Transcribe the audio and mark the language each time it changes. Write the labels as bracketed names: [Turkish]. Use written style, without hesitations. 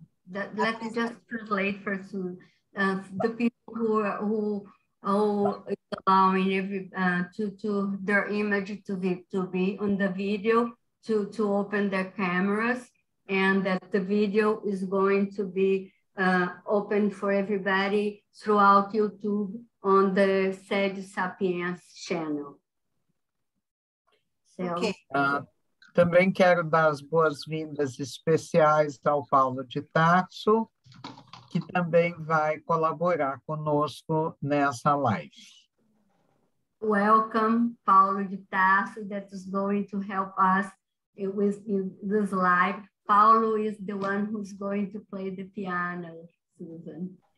[English] Let me just translate for some the people who is allowing every to their image to be on the video to open their cameras, and that the video is going to be open for everybody throughout YouTube on the Sede Sapiense channel. So, okay. [Portuguese] Também quero dar as boas-vindas especiais ao Paulo de Tarso, que também vai colaborar conosco nessa live. [English] Welcome, Paulo de Tarso, that is going to help us with this live. Paulo is the one who's going to play the piano, Susan.